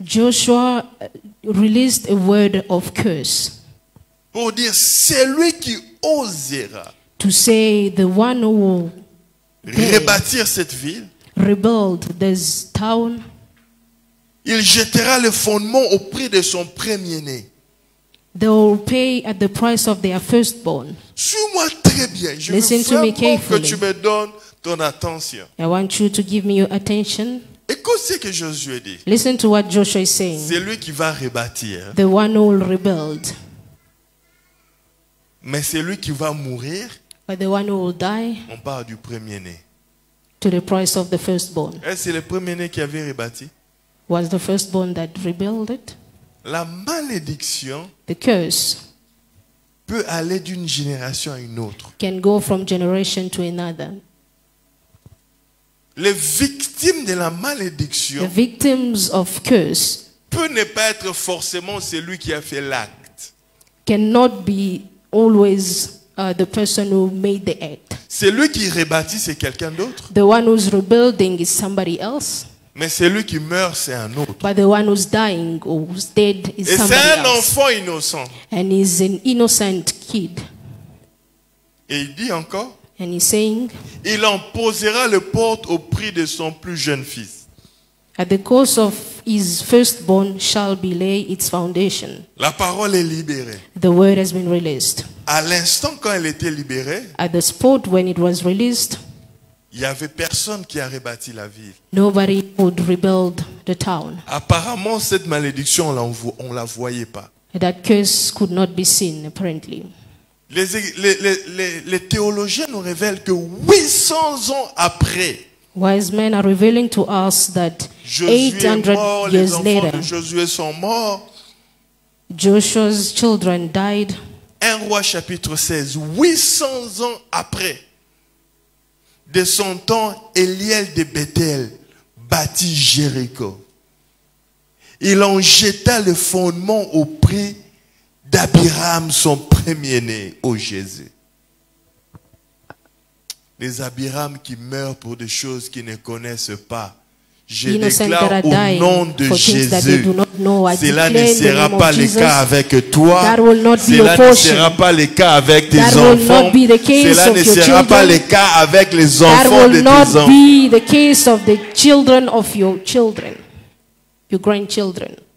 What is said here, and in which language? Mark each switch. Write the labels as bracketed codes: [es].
[en] Joshua released a word of curse. [fr] Pour dire celui qui osera, [en] to say the one who will [fr] rebâtir cette ville, [en] rebuild this town, [fr] il jettera le fondement au prix de son premier-né. [en] They will pay at the price of their firstborn. [fr] Suis-moi très bien. Je [en] listen [fr] veux vraiment [en] to me carefully. [fr] Que tu me donnes ton attention. [en] I want you to give me your attention. [fr] Écoute ce que Josué dit. [en] Listen to what Joshua is saying. [fr] C'est lui qui va rebâtir. [en] The one who will rebuild. [fr] Mais c'est lui qui va mourir. [en] But the one who will die. [fr] On parle du premier-né. [en] To the price of the firstborn. [fr] Est-ce c'est le premier-né qui avait rebâti? [en] Was the firstborn that rebuilt it? [fr] La malédiction, [en] the curse, [fr] peut aller d'une génération à une autre. [en] Can go from generation to another. [fr] Les victimes de la malédiction, [en] the victims of curse, [fr] peut ne pas être forcément celui qui a fait l'acte. [en] Cannot be always the person who made the act. [fr] Celui qui rebâtit, c'est quelqu'un d'autre. [en] The one who's rebuilding is somebody else. [fr] Mais celui qui meurt, c'est un autre. [en] But the one who's dying or who's dead is [fr] et [en] somebody else. [fr] Et c'est un enfant innocent. [en] And he's an innocent kid. [fr] Et il dit encore. [en] And he's saying. [fr] Il en posera le porte au prix de son plus jeune fils. [en] At the cost of his firstborn shall be laid its foundation. [fr] La parole est libérée. [en] The word has been released. [fr] À l'instant quand elle était libérée. [en] At the spot when it was released. [fr] Il n'y avait personne qui a rebâti la ville. [en] Nobody would rebuild the town. [fr] Apparemment, cette malédiction, on ne la voyait pas. [en] That curse could not be seen, apparently. [fr] Les théologiens nous révèlent que 800 ans après, [en] wise men are revealing to us that 800 years later, [fr] les enfants de Josué sont morts. [en] Joshua's children died. [fr] 1 Roi chapitre 16, 800 ans après, de son temps, Éliel de Bethel bâtit Jéricho. Il en jeta le fondement au prix d'Abiram, son premier-né, au Jésus. Les Abiram qui meurent pour des choses qu'ils ne connaissent pas, je déclare au nom de Jésus, cela ne sera pas le cas avec toi, cela ne sera pas le cas avec tes enfants, cela ne sera pas le cas avec les enfants de tes enfants. [en] That will not be the case of the children of your children, your grandchildren.